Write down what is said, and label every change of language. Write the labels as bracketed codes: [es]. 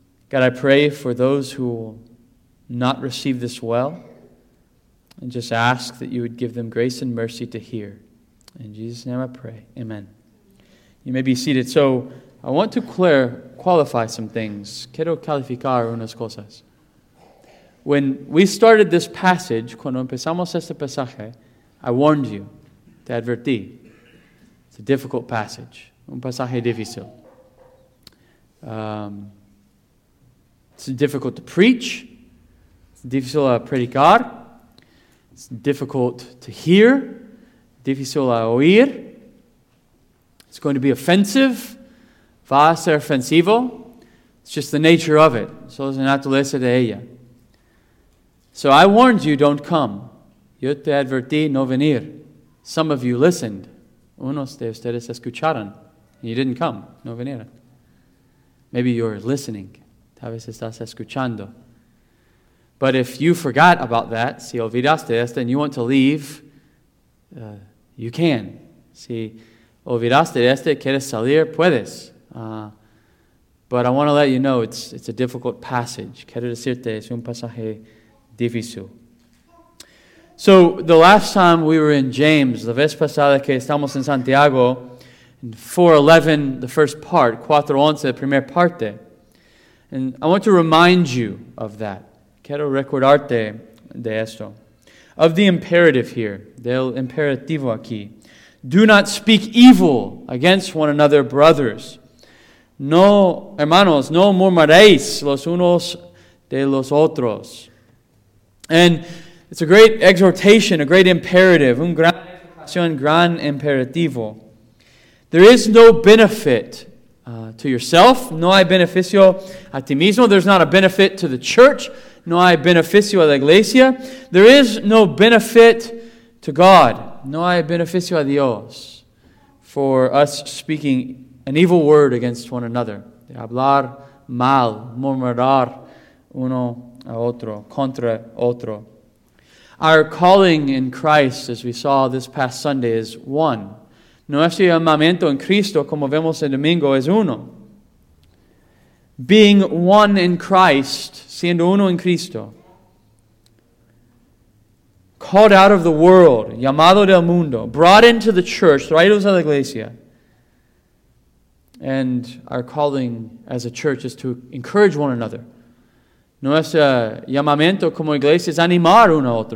[en] God, I pray for those who will not receive this well, and just ask that you would give them grace and mercy to hear. In Jesus' name I pray, amen. You may be seated. So, I want to qualify some things. [es] Quiero calificar unas cosas. [en] When we started this passage, [es] cuando empezamos este pasaje, [en] I warned you, [es] te advertí. [en] It's a difficult passage, [es] un pasaje difícil. [en] It's difficult to preach, it's [es] difícil a predicar, [en] it's difficult to hear, [es] difícil a oír, [en] it's going to be offensive, [es] va a ser ofensivo, [en] it's just the nature of it, so [es] es la naturaleza de ella. [en] So I warned you, don't come, [es] yo te advertí no venir, [en] some of you listened, [es] unos de ustedes escucharon, [en] and you didn't come, [es] no vinieron, [en] maybe you're listening. [es] A veces estás escuchando. [en] But if you forgot about that, [es] si olvidaste esto, [en] and you want to leave, you can. [es] Si olvidaste esto, quieres salir, puedes. [en] But I want to let you know it's a difficult passage. [es] Quiero decirte, es un pasaje difícil. [en] So, the last time we were in James, [es] la vez pasada que estamos en Santiago, [en] in 4:11, the first part, 4:11, [es] la primera parte, [en] and I want to remind you of that. [es] Quiero recordarte de esto. [en] Of the imperative here. [es] Del imperativo aquí. [en] Do not speak evil against one another, brothers. [es] No, hermanos, no murmuréis los unos de los otros. [en] And it's a great exhortation, a great imperative. [es] Un gran exhortación, gran imperativo. [en] There is no benefit to yourself, [es] no hay beneficio a ti mismo. [en] There's not a benefit to the church, [es] no hay beneficio a la iglesia. [en] There is no benefit to God, [es] no hay beneficio a Dios, [en] for us speaking an evil word against one another. [es] De hablar mal, murmurar uno a otro, contra otro. [en] Our calling in Christ, as we saw this past Sunday, is one. [es] Nuestro llamamiento en Cristo, como vemos el domingo, es uno. [en] Being one in Christ, [es] siendo uno en Cristo. [en] Called out of the world, [es] llamado del mundo. [en] Brought into the church, [es] traídos a la iglesia. [en] And our calling as a church is to encourage one another. [es] Nuestro llamamiento como iglesia es animar uno a otro.